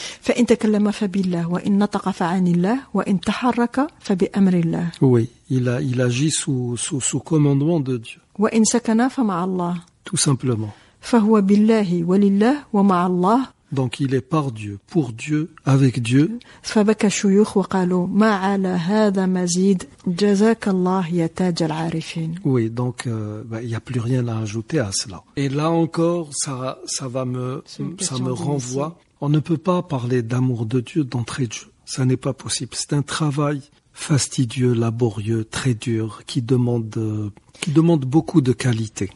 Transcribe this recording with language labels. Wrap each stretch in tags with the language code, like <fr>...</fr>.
<ar>فَإِنْ تَكَلَّمَ فَبِاللَّهِ وَإِنْ نَطَقَ فَعَنِ اللَّهِ وَإِنْ تَحَرَّكَ فَبِأَمْرِ اللَّهِ.</ar> <fr>Oui, il agit sous commandement de Dieu.</fr> <ar>وإن سكن فمع الله.</ar> <fr>Tout simplement.</fr> <ar>فهو بالله ولله ومع الله.</ar> <fr>Donc il est par Dieu, pour Dieu, avec Dieu.</fr> <ar>فبكى الشيوخ وقالوا ما على هذا مزيد جزاك الله يا تاج العارفين.</ar> <fr>Oui, donc il y a plus rien à ajouter à cela. Et là encore, ça me renvoie. On ne peut pas parler d'amour de Dieu d'entrée de jeu. Ça n'est pas possible. C'est un travail fastidieux, laborieux, très dur, qui demande beaucoup de qualité.</fr>